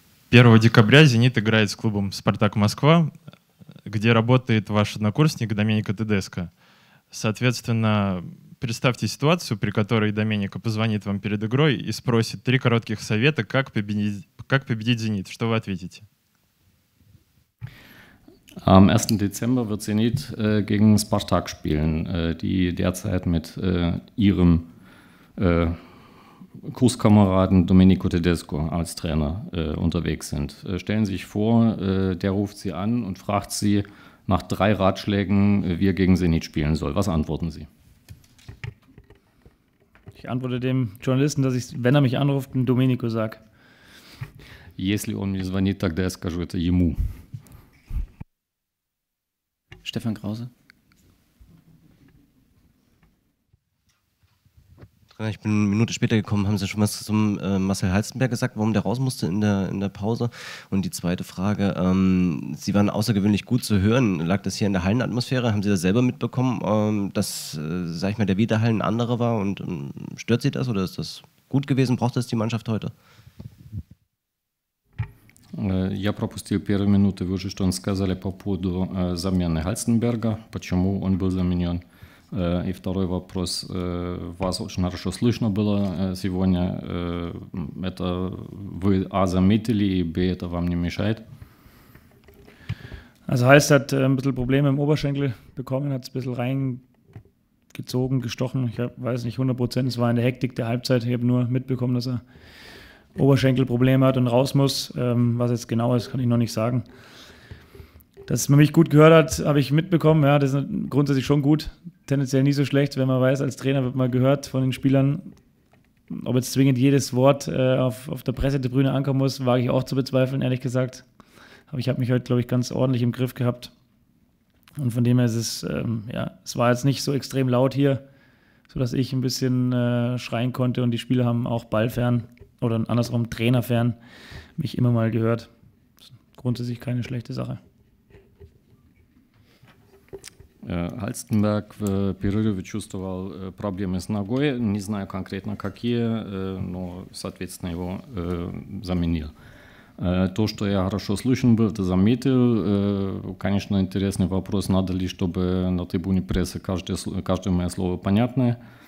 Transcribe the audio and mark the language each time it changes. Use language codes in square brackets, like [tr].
[ru] 1 декабря «Зенит» играет с клубом «Спартак Москва», где работает ваш однокурсник Доменико Тедеско. Соответственно, представьте ситуацию, при которой Доменико позвонит вам перед игрой и спросит три коротких совета, как победить «Зенит». Что вы ответите? [de] Am 1. Dezember wird «Зенит» gegen «Спартак» spielen, die derzeit mit ihrem Kurskameraden Domenico Tedesco als Trainer unterwegs sind. Stellen Sie sich vor, der ruft Sie an und fragt Sie nach drei Ratschlägen, wie er gegen «Зенит» spielen soll. Was antworten Sie? Ich antworte dem Journalisten, dass ich, wenn er mich anruft, einen Domenico sage. [ru] Если он мне звонит, тогда я скажу это ему. [de] Stefan Krause. Trainer, ich bin eine Minute später gekommen, haben Sie schon was zum Marcel Halstenberg gesagt, warum der raus musste in der Pause? Und die zweite Frage, Sie waren außergewöhnlich gut zu hören. Lag das hier in der Hallenatmosphäre? Haben Sie das selber mitbekommen, dass, sag ich mal, der Widerhall ein anderer war? Und stört Sie das oder ist das gut gewesen? Braucht das die Mannschaft heute? [ru] Я пропустил первые минуты, вы уже что-то сказали по поводу замены Гальценберга, почему он был заменен. И второй вопрос. Вас очень хорошо слышно было сегодня. Это вы А заметили, и Б это вам не мешает? [de] Also heißt, er hat ein bisschen Probleme im Oberschenkel bekommen, hat es ein bisschen reingezogen, gestochen. Ich weiß nicht 100%, es war in der Hektik der Halbzeit. Ich habe nur mitbekommen, dass er Oberschenkelprobleme hat und raus muss. Was jetzt genau ist, kann ich noch nicht sagen. Dass man mich gut gehört hat, habe ich mitbekommen. Ja, das ist grundsätzlich schon gut. Tendenziell nie so schlecht, wenn man weiß, als Trainer wird man gehört von den Spielern. Ob jetzt zwingend jedes Wort auf der Pressetribüne ankommen muss, wage ich auch zu bezweifeln, ehrlich gesagt. Aber ich habe mich heute, glaube ich, ganz ordentlich im Griff gehabt. Und von dem her ist es, ja, es war jetzt nicht so extrem laut hier, sodass ich ein bisschen schreien konnte. Und die Spieler haben auch ballfern oder andersrum trainerfern mich immer mal gehört. Das ist grundsätzlich keine schlechte Sache. [ru] Гальценберг в перерыве чувствовал проблемы с ногой, не знаю конкретно какие, но, соответственно, его заменил. То, что я хорошо слышен был, это заметил. Конечно, интересный вопрос, надо ли, чтобы на трибуне прессы каждое мое слово понятное.